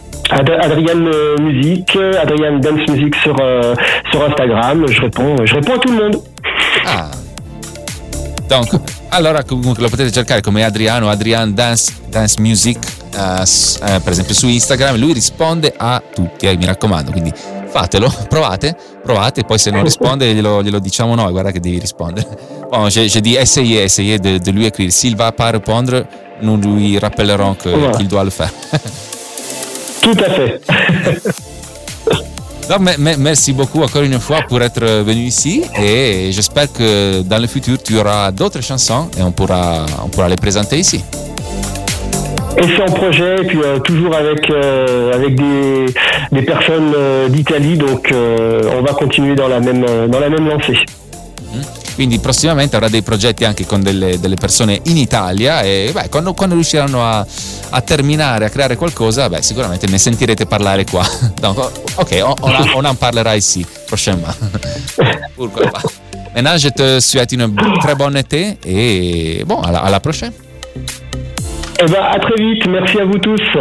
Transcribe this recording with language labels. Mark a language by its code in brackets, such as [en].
[fr] Adrien Musique, Adrien Dance Music sur Instagram. Je réponds à tout le monde. Ah. [it] Donc, allora comunque lo potete cercare come Adrian Dance Music, per esempio su Instagram. Lui risponde a tutti, mi raccomando, quindi fatelo, provate, poi se non risponde glielo diciamo noi, guarda che devi rispondere. [fr] Bon, j'ai dit essayer de lui écrire, s'il va pas répondre, nous lui rappellerons qu'il doit le faire. Tout à fait. Non, merci beaucoup encore une fois pour être venu ici, et j'espère que dans le futur tu auras d'autres chansons et on pourra les présenter ici. Et c'est en projet, et puis toujours avec des personnes d'Italie, donc on va continuer dans la même lancée. [it] Quindi prossimamente avrà dei progetti anche con delle persone in Italia, e beh, quando riusciranno a terminare, a creare qualcosa, beh, sicuramente ne sentirete parlare qua. [fr] Donc, ok, on en parlerà ici prochainement. Pourquoi pas. Maintenant, je te souhaite une très bonne été et bon, alla prochaine. Eh ben, à très vite, merci à vous tous.